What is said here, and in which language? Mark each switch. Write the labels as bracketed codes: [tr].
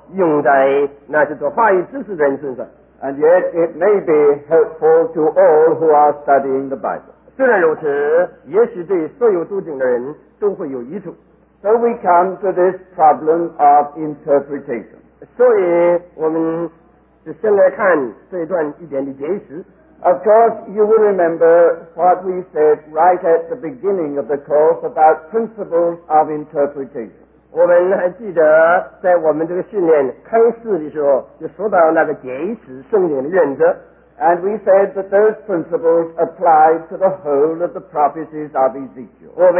[zh] 我下面所说的一段话，也许是只能够用在那些做话语知识的人身上。 [en] And yet, it may be helpful to all who are studying the Bible. [zh] 虽然如此，也许对所有读经的人都会有益处。 [en] So we come to this problem of interpretation. [zh] 所以我们就先来看这一段一点的解释。 [en] Of course, you will remember what we said right at the beginning of the course about principles of interpretation. [zh] 我们还记得在我们这个训练开始的时候就说到那个解释圣经的原则。 [en] And we said that those principles apply to the whole of the prophecies of Ezekiel.